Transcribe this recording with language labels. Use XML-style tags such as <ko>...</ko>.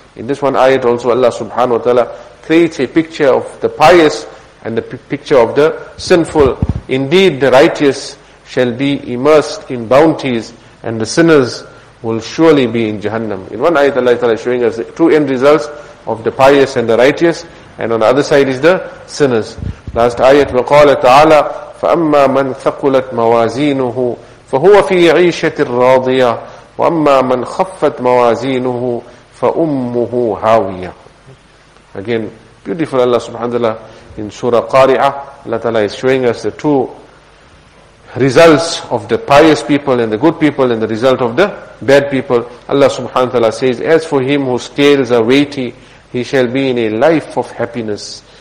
<en>In this one ayat also, Allah Subhanahu Wa Ta'ala creates a picture of the pious and the picture of the sinful. Indeed, the righteous shall be immersed in bounties and the sinners will surely be in Jahannam. In one ayat, Allah Ta'ala is showing us the two end results of the pious and the righteous, and on the other side is the sinners. Last ayat,</en> <ar>وَقَالَ تَعَالَى فَأَمَّا مَنْ ثَقُلَتْ مَوَازِينُهُ فَهُوَ فِي عِيشَةٍ رَاضِيَةٍ وَأَمَّا مَنْ خَفَّتْ مَوَازِينُهُ فَأُمُّهُ هَاوِيَةٌ.</ar> <en>Again, beautiful Allah Subhanahu Wa Ta'ala in Surah Qari'ah, Allah Ta'ala is showing us the two results of the pious people and the good people and the result of the bad people. Allah Subhanahu Wa Ta'ala says, as for him whose scales are weighty, he shall be in a life of happiness.</en>